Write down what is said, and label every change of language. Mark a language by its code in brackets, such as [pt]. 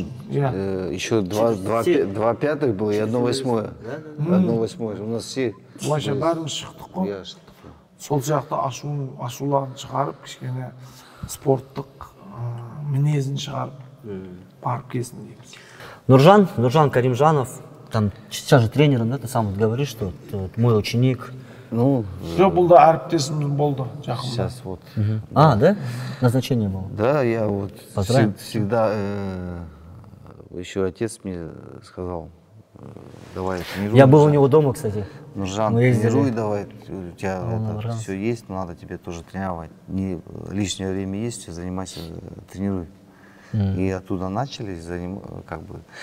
[ru] 4, еще 2 пятых было и 1 восьмое. 1 восьмое. У нас все. [kk] Былайша бәрін шықтық қой. Иә, шықтық қой. Сол сияқты ашуларын шығарып, кішкене спорттық мінезін шығарып, барып келсін дейміз. [ru] Нұржан Каримжанов, там сейчас тренером, да, ты сам говоришь, что мой ученик. Ну, все был, да, [kk] әріптесім болды жақында. [ru] Сейчас вот. А, да? Назначение было? Да, я вот всегда, еще отец мне сказал, давай тренируй. Я был у него дома, кстати. Нуржан, тренируй давай, у тебя это все есть, надо тебе тоже тренировать. Не лишнее время есть, занимайся, тренируй. И оттуда начались, как бы.